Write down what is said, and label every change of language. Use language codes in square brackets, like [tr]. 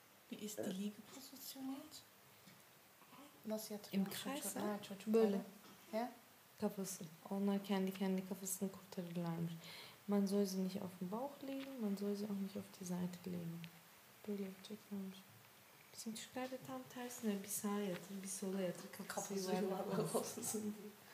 [de] wie ist die Liege positioniert? Was jetzt? Im Kreis? [tr] Böyle. Kafası. Onlar kendi kafasını kurtarırlarmış. [de] Man soll sie nicht auf den Bauch legen, man soll sie auch nicht auf die Seite legen. [tr] Böyle yapacaklarmış. Bizim Türkler de tam tersine bir sağa yatır, bir sola yatır. Kafası yuvarlak olsun diye.